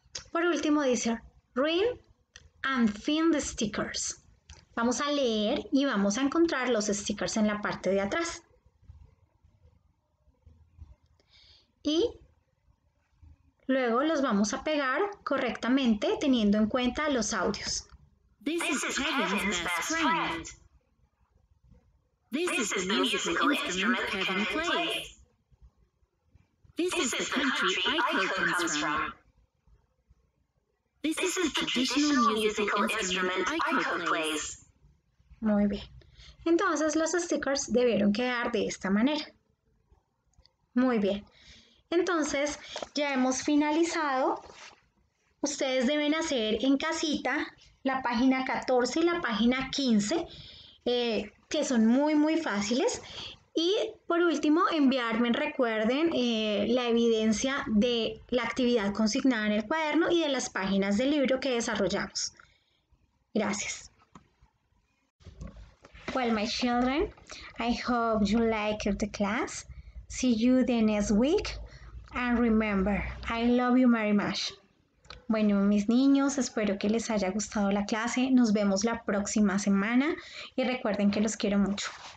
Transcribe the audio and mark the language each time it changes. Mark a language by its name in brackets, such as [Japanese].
[Spanish] Por último dice, [English] read and fill the stickers. [Spanish] Vamos a leer y vamos a encontrar los stickers en la parte de atrás. Y luego los vamos a pegar correctamente teniendo en cuenta los audios. [English] This is Kevin's best friend. This is the musical instrument Kevin plays. This is the country Aiko comes from. This is the traditional musical instrument Aiko plays. [Spanish] Muy bien. Entonces los stickers debieron quedar de esta manera. Muy bien. Entonces ya hemos finalizado. Ustedes deben hacer en casita la página 14 y la página 15, que son muy, muy fáciles. Y por último, enviarme, recuerden, la evidencia de la actividad consignada en el cuaderno y de las páginas del libro que desarrollamos. Gracias. [English] Well, my children, I hope you like the class. See you the next week. And remember, I love you very much. [Spanish] Bueno, mis niños, espero que les haya gustado la clase. Nos vemos la próxima semana y recuerden que los quiero mucho.